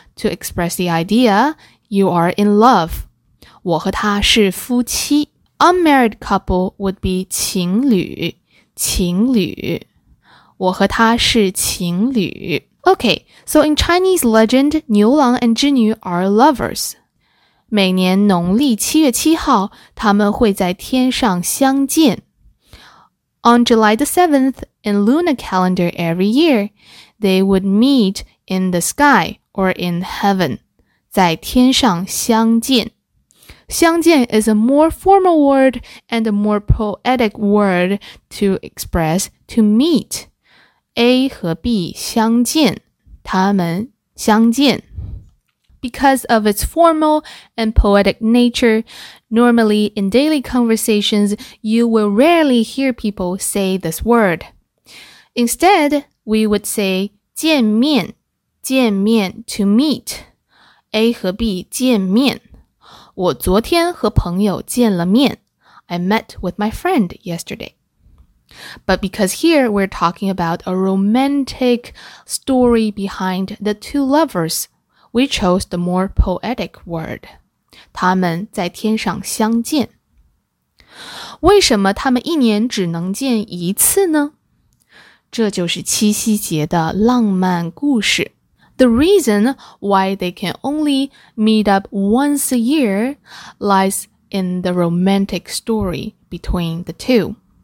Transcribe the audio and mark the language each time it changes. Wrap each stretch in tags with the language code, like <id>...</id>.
<en>to express the idea you are in love.</en> <zh>我和他是夫妻。</zh> <en>Unmarried couple would be 情侣。</en> <zh>情侣。我和他是情侣。</zh> <en>Okay, so in Chinese legend, 牛郎 and 织女 are lovers.</en> <zh>每年农历七月七号，他们会在天上相见。</zh> <en>On July the 7th, in lunar calendar every year, they would meet in the sky or in heaven.</en> <zh>在天上相见。</zh> <en>相见 is a more formal word and a more poetic word to express to meet.</en> <zh>A 和 B 相见，他们相见。</zh> <en>Because of its formal and poetic nature, normally in daily conversations, you will rarely hear people say this word. Instead, we would say 见面，见面 to meet.</en> <zh>A 和 B 见面。我昨天和朋友见了面。</zh> <en>I met with my friend yesterday. But because here we're talking about a romantic story behind the two lovers, we chose the more poetic word.</en> <zh>他们在天上相见。为什么他们一年只能见一次呢？这就是七夕节的浪漫故事。</zh> <en>The reason why they can only meet up once a year lies in the romantic story between the two.</en>